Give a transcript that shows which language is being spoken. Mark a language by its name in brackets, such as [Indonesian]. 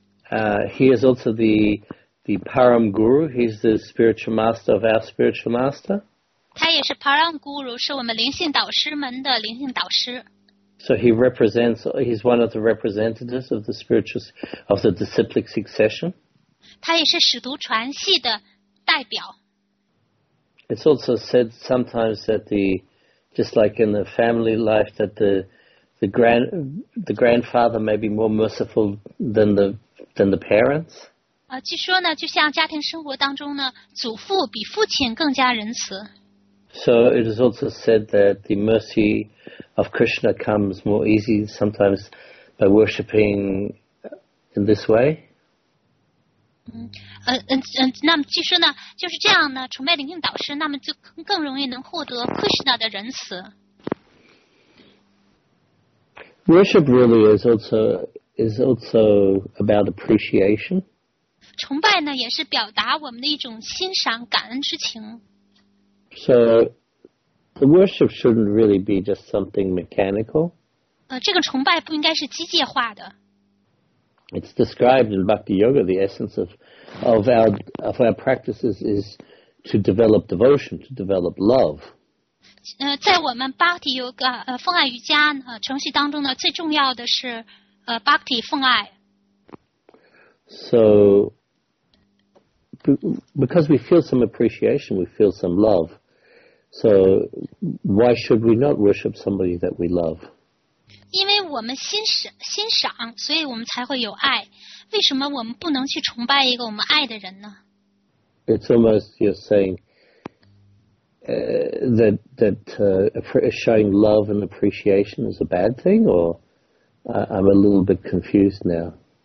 [English] And he is also the Param Guru. He's the spiritual master of our spiritual master. [Chinese] 他也是 Param Guru, 是我们灵性导师们的灵性导师。 [English] So he represents, he's one of the representatives of the spiritual, of the disciplic succession. [Chinese] 他也是使徒传系的代表。 [English] It's also said sometimes that just like in the family life, that the grandfather may be more merciful than the parents. [Chinese] 据说呢，就像家庭生活当中呢，祖父比父亲更加仁慈。 [English] So it is also said that the mercy of Krishna comes more easy sometimes by worshipping in this way. [Chinese] 那么据说呢，就是这样呢，崇拜灵性导师，那么就更容易能获得 Krishna 的仁慈。 [English] Worship really is also about appreciation. [Chinese] 崇拜呢，也是表达我们的一种欣赏、感恩之情。 [English] So, the worship shouldn't really be just something mechanical. [Chinese] 这个崇拜不应该是机械化的。 [English] It's described in Bhakti Yoga. The essence of our practices is to develop devotion, to develop love. [Chinese] 在我们 Bhakti Yoga 奉爱瑜伽程序当中呢，最重要的是Bhakti 奉爱。 [English] So, because we feel some appreciation, we feel some love. So, why should we not worship somebody that we love? [Chinese] 因为我们欣赏，所以我们才会有爱。为什么我们不能去崇拜一个我们爱的人呢？ [English] It's almost you're saying. That showing love and appreciation is a bad thing, or I'm a little bit confused now.